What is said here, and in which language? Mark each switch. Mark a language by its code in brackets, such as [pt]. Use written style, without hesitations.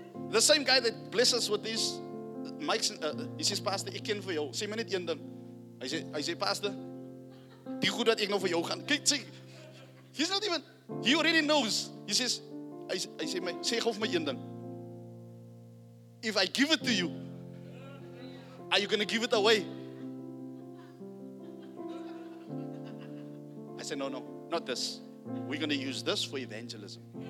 [en] The same guy that blesses with this, Mike, he says, Pastor, [af] ek ken vir jou. Sê my net een ding. Hy sê, Pastor, die goed wat ek nou vir jou gaan. Kijk, sê, [en] he's not even, he already knows. He says, [af] hy sê, gof my een ding. [en] If I give it to you, are you going to give it away? I said, no, not this. We're going to use this for evangelism.